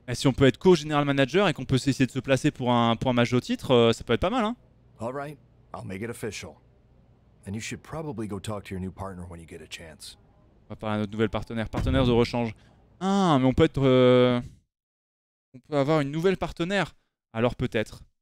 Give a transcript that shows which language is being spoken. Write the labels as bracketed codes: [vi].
[fr] Et si on peut être co-General Manager et qu'on peut essayer de se placer pour un match au titre, ça peut être pas mal, hein? [en] All right, I'll make it official. And you should probably go talk to your new partner when you get a chance. [fr] On va parler à notre nouvelle partenaire de rechange. Ah, mais on peut être... on peut avoir une nouvelle partenaire. Alors peut-être.